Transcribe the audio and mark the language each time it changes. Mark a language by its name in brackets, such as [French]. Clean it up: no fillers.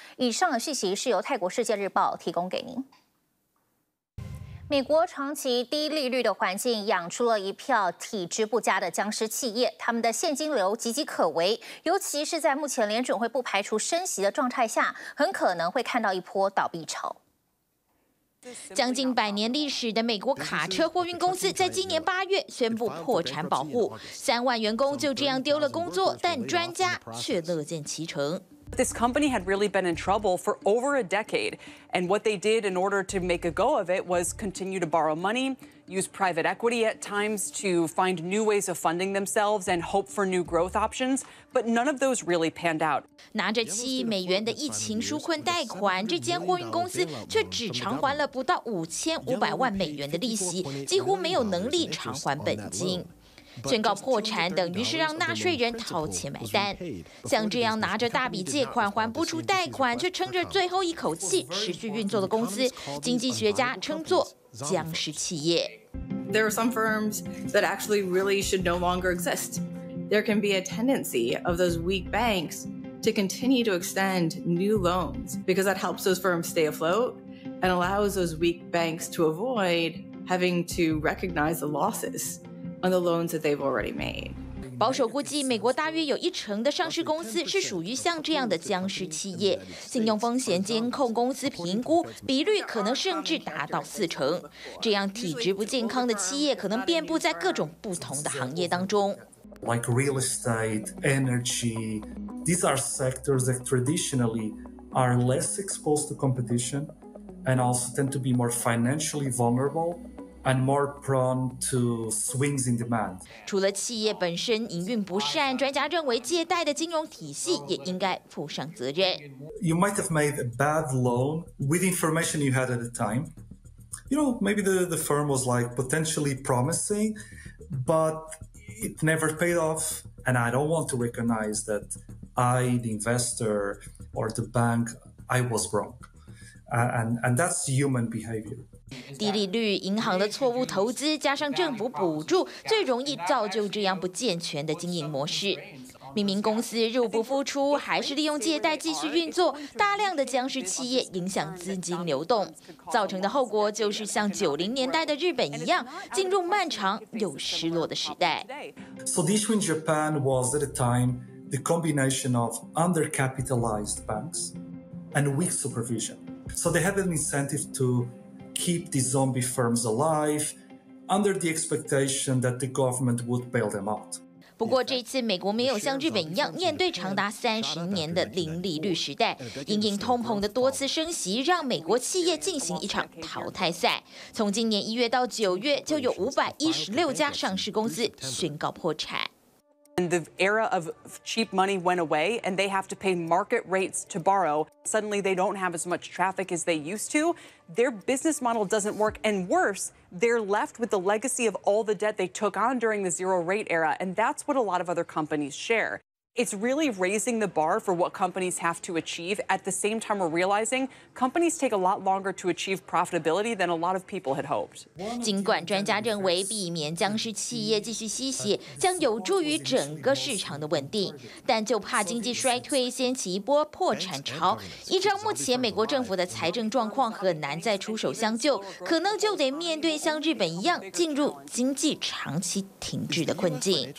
[Chinese] 以上的讯息是由泰国世界日报提供给您。美国长期低利率的环境养出了一票体质不佳的僵尸企业，他们的现金流岌岌可危，尤其是在目前联准会不排除升息的状态下，很可能会看到一波倒闭潮。将近百年历史的美国卡车货运公司在今年八月宣布破产保护，3万员工就这样丢了工作，但专家却乐见其成。 [English] This company had really been in trouble for over a decade, and what they did in order to make a go of it was continue to borrow money, use private equity at times to find new ways of funding themselves and hope for new growth options, but none of those really panned out. [Chinese] 拿着7亿美元的疫情纾困贷款，这间货运公司却只偿还了不到5500万美元的利息，几乎没有能力偿还本金。宣告破产等于是让纳税人掏钱买单，像这样拿着大笔借款还不出贷款却撑着最后一口气持续运作的公司，经济学家称作僵尸企业。 [English] There are some firms that actually really should no longer exist. There can be a tendency of those weak banks to continue to extend new loans because that helps those firms stay afloat and allows those weak banks to avoid having to recognize the losses. On the loans that they've already made. [Chinese] 保守估计，美国大约有10%的上市公司是属于像这样的僵尸企业。信用风险监控公司评估比率可能甚至达到40%。这样体质不健康的企业可能遍布在各种不同的行业当中。 [English] Like real estate, energy, these are sectors that traditionally are less exposed to competition and also tend to be more financially vulnerable. And more prone to swings in demand. [Chinese] 除了企业本身营运不善，专家认为借贷的金融体系也应该负上责任。 [English] You might have made a bad loan with information you had at the time. You know, maybe the firm was like potentially promising, but it never paid off. And I don't want to recognize that I, the investor, or the bank, I was wrong. And that's human behavior. [Chinese] 低利率、银行的错误投资，加上政府补助，最容易造就这样不健全的经营模式。明明公司入不敷出，还是利用借贷继续运作，大量的僵尸企业影响资金流动，造成的后果就是像90年代的日本一样，进入漫长又失落的时代。 [English] So the issue in Japan was at a time the combination of undercapitalized banks and weak supervision. So they had an incentive to. Keep these zombie firms alive under the expectation that the government would bail them out. [Chinese] 不过这次美国没有像日本一样面对长达30年的零利率时代，因应通膨的多次升息，让美国企业进行一场淘汰赛。从今年1月到9月，就有516家上市公司宣告破产。 [English] And the era of cheap money went away, and they have to pay market rates to borrow. Suddenly, they don't have as much traffic as they used to. Their business model doesn't work, and worse, they're left with the legacy of all the debt they took on during the zero rate era, and that's what a lot of other companies share. It's really raising the bar for what companies have to achieve. At the same time, we're realizing companies take a lot longer to achieve profitability than a lot of people had hoped. [Chinese] 尽管专家认为避免僵尸企业继续吸血将有助于整个市场的稳定，但就怕经济衰退掀起一波破产潮。依照目前美国政府的财政状况，很难再出手相救，可能就得面对像日本一样进入经济长期停滞的困境。